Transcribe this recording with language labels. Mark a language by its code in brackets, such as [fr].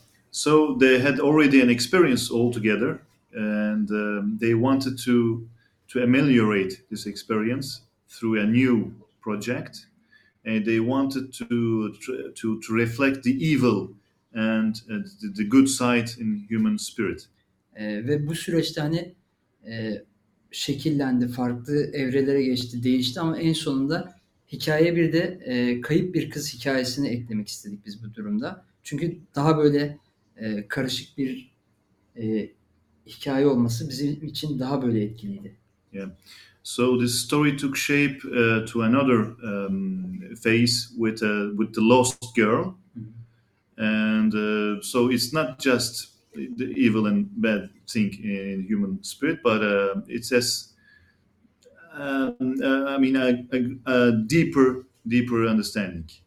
[en] So they had already an experience all together. And they wanted to ameliorate this experience through a new project, and they wanted to reflect the evil and the good side in human spirit. [tr] Ve bu süreçte hani şekillendi, farklı evrelere geçti, değişti ama en sonunda hikayeye bir de kayıp bir kız hikayesini eklemek istedik biz bu durumda. Çünkü daha böyle karışık bir hikaye olması bizim için daha böyle etkiliydi. [en] Yeah. So this story took shape to another phase with the lost girl. And so it's not just the evil and bad thing in human spirit, but it says a deeper understanding.